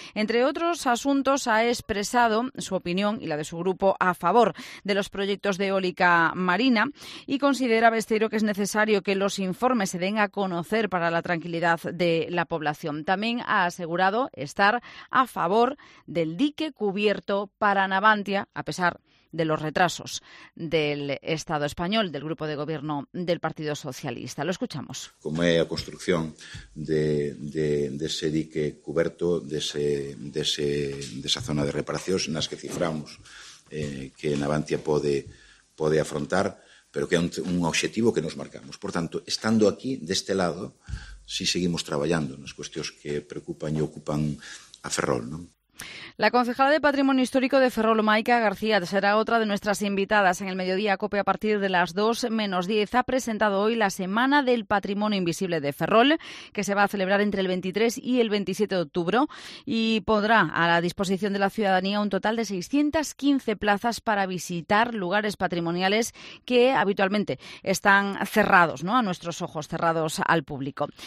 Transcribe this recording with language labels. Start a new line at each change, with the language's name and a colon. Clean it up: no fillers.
Spanish: Entre otros asuntos, ha expresado su opinión y la de su grupo a favor de los proyectos de eólica marina y considera Besteiro que es necesario que los informes se den a conocer para la tranquilidad de la población. También ha asegurado estar a favor del dique cubierto para Navantia, a pesar de los retrasos del Estado español, del grupo de gobierno del Partido Socialista. Lo escuchamos.
Galician: Como é a construcción de ese dique cuberto, de esa zona de reparacións nas que ciframos que Navantia pode afrontar, pero que é un objetivo que nos marcamos. Por tanto, estando aquí, deste lado, si seguimos traballando nas cuestións que preocupan e ocupan a Ferrol, non?
Spanish: La concejala de Patrimonio Histórico de Ferrol, Maica García, será otra de nuestras invitadas en el mediodía COPE a partir de las 2:10. Ha presentado hoy la Semana del Patrimonio Invisible de Ferrol, que se va a celebrar entre el 23 y el 27 de octubre y pondrá a la disposición de la ciudadanía un total de 615 plazas para visitar lugares patrimoniales que habitualmente están cerrados, ¿no?, a nuestros ojos, cerrados al público.